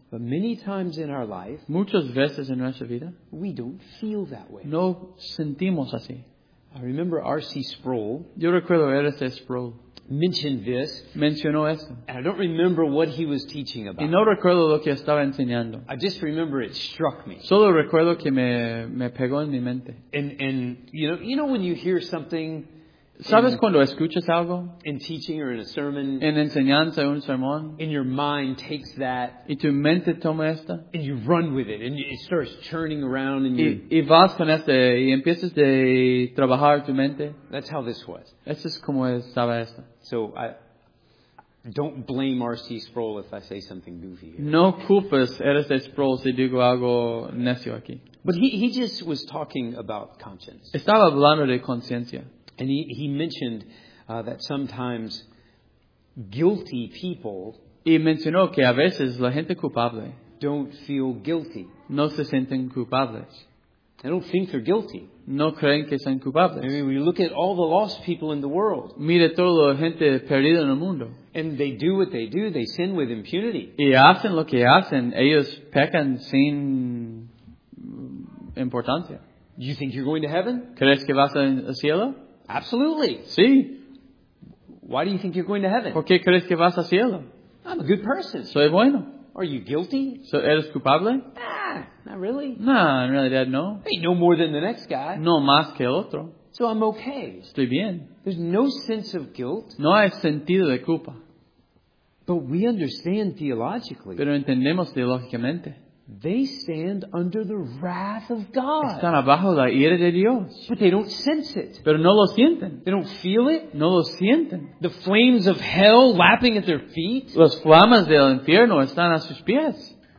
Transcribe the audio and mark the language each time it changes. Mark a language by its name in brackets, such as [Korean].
[English] But many times in our life, [Spanish] muchas veces en nuestra vida, [English] we don't feel that way. [Spanish] No sentimos así. [English] I remember R.C. Sproul. [Spanish] Yo recuerdo a R.C. Sproul. [English] Mentioned this. [Spanish] Mencionó esto. [English] And I don't remember what he was teaching about. [Spanish] Y no recuerdo lo que estaba enseñando. [English] I just remember it struck me. [Spanish] Solo recuerdo que me pegó en mi mente. [English] And you know when you hear something. [Spanish] ¿Sabes cuando escuchas algo? [English] In teaching or in a sermon. [Spanish] En enseñanza o un sermón. [English] And your mind takes that. [Spanish] Y tu mente toma esta. [English] And you run with it. And it starts churning around in you. [Spanish] Y vas con esta y empiezas de trabajar tu mente. [English] That's how this was. [Spanish] Eso es como estaba esta. [English] So I don't blame R.C. Sproul if I say something goofy here. [Spanish] No culpes R.C. Sproul si digo algo necio aquí. [English] But he just was talking about conscience. [Spanish] Estaba hablando de conciencia. [English] And he mentioned that sometimes guilty people. [Spanish] Y mencionó que a veces la gente culpable. [English] Don't feel guilty. [Spanish] No se sienten culpables. [English] They don't think they're guilty. [Spanish] No creen que sean culpables. [English] I mean, we look at all the lost people in the world. [Spanish] Mira toda la gente perdida en el mundo. [English] And they do what they do. They sin with impunity. [Spanish] Y hacen lo que hacen. Ellos pecan sin importancia. [English] Do you think you're going to heaven? [Spanish] ¿Crees que vas al cielo? [English] Absolutely. [Spanish] Sí. [English] Why do you think you're going to heaven? [Spanish] ¿Por qué crees que vas al cielo? [English] I'm a good person. [Spanish] Soy bueno. [English] Are you guilty? [Spanish] So eres culpable? [English] Nah, not really. [Spanish] Nah, in realidad, no. [English] Hey, no more than the next guy. [Spanish] No más que el otro. [English] So I'm okay. [Spanish] Estoy bien. [English] There's no sense of guilt. [Spanish] No hay sentido de culpa. [English] But we understand theologically. [Spanish] Pero entendemos teológicamente. [English] They stand under the wrath of God. [Spanish] Están abajo la ira de Dios. [English] But they don't sense it. [Spanish] Pero no lo sienten. [English] They don't feel it. [Spanish] No lo sienten. [English] The flames of hell lapping at their feet. [Spanish] Las flamas del infierno están a sus pies.